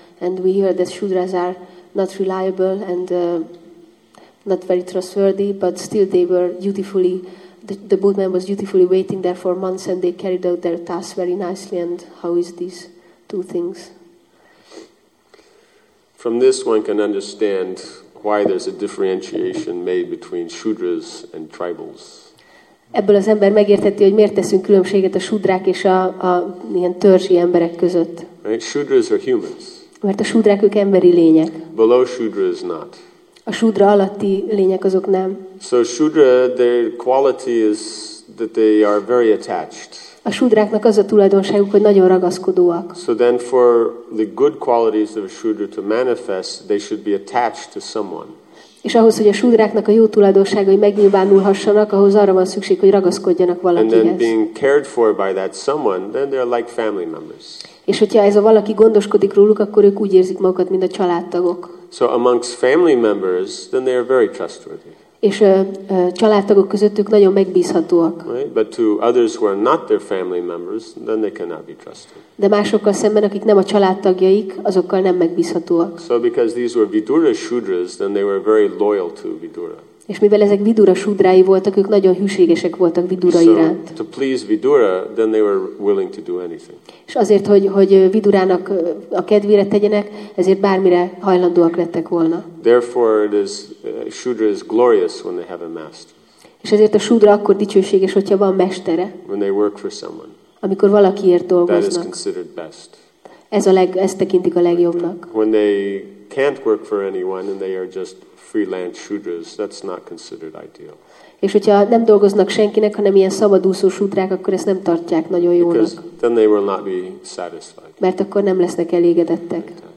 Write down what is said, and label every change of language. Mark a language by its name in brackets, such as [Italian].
[English] And we hear that Shudras are not reliable and not very trustworthy, but still they were dutifully, the boatman was dutifully waiting there for months and they carried out their tasks very nicely. And how is these two things? From this one can understand why there's a differentiation made between shudras and tribals. [Hungarian] Ebből az ember megértheti, hogy miért teszünk különbséget a shudrák és a ilyen törzsi emberek között. [English] Right? Shudras are humans. [Hungarian] Mert a shudrák ők emberi lények. [English] Below shudras not. [Hungarian] A shudra alatti lények azok nem. [English] So shudra, their quality is that they are very attached. [Hungarian] A shudráknak az a tulajdonságuk, hogy nagyon ragaszkodóak. [English] So then for the good qualities of a shudra to manifest, they should be attached to someone. [Hungarian] És ahhoz, hogy a shudráknak a jó tulajdonságai megnyilvánulhassanak, ahhoz arra van szükség, hogy ragaszkodjanak valakihez. [English] And then being cared for by that someone, then they're like family members. [Hungarian] És hogyha ez a valaki gondoskodik róluk, akkor ők úgy érzik magukat, mint a családtagok. [English] So amongst family members, then they are very trustworthy. [Hungarian] És családtagok közöttük nagyon megbízhatóak. [English] Right? But to others who are not their family members, then they cannot be trusted. [Hungarian] De másokkal szemben, akik nem a családtagjaik, azokkal nem megbízhatóak. [English] So because these were Vidura shudras, then they were very loyal to Vidura. [Hungarian] És mivel ezek Vidura súdrái voltak, ők nagyon hűségesek voltak Vidura iránt. [English] To please Vidura, then they were willing to do anything. [Hungarian] És azért, hogy Vidurának a kedvére tegyenek, ezért bármire hajlandóak lettek volna. [English] Therefore it is Shudra is glorious when they have a master. [Hungarian] És ezért a Shudra akkor dicsőséges, hogyha van mestere. [English] When they work for someone. [Hungarian] Amikor valakiért dolgoznak. [English] That is considered best. [Hungarian] Ezt tekintik a legjobbnak. [English] When they can't work for anyone and they are just freelance shudras, that's not considered ideal. [Hungarian] És hogyha nem dolgoznak senkinek, hanem ilyen szabadúszó shudrák, akkor ezt nem tartják nagyon jónak. [English] Because then they will not be satisfied. [Hungarian] Mert akkor nem lesznek elégedettek.